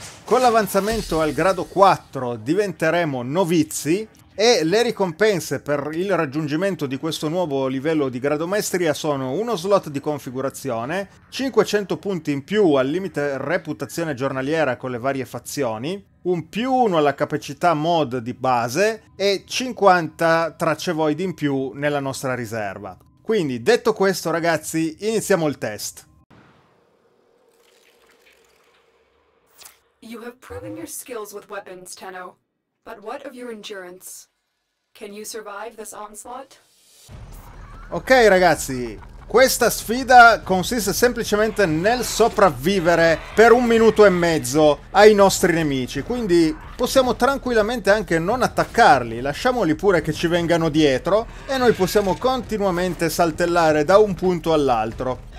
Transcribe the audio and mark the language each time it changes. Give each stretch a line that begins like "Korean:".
Italian: Con l'avanzamento al grado 4 diventeremo novizi, e le ricompense per il raggiungimento di questo nuovo livello di grado maestria sono uno slot di configurazione, 500 punti in più al limite reputazione giornaliera con le varie fazioni, un più 1 alla capacità mod di base e 50 tracce void in più nella nostra riserva. Quindi, detto questo, ragazzi, iniziamo il test.
English: You have proven your skills with weapons, Tenno. But what of your endurance? Can you survive this onslaught?
Italian: Ok, ragazzi, questa sfida consiste semplicemente nel sopravvivere per un minuto e mezzo ai nostri nemici, quindi possiamo tranquillamente anche non attaccarli, lasciamoli pure che ci vengano dietro e noi possiamo continuamente saltellare da un punto all'altro.